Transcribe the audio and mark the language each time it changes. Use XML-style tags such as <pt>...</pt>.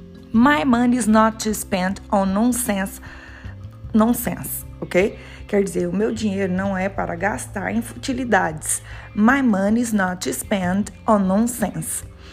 <en>My money is not to spend on nonsense, ok?</en> <pt>Quer dizer, o meu dinheiro não é para gastar em futilidades.</pt> <en>My money is not to spend on nonsense.</en>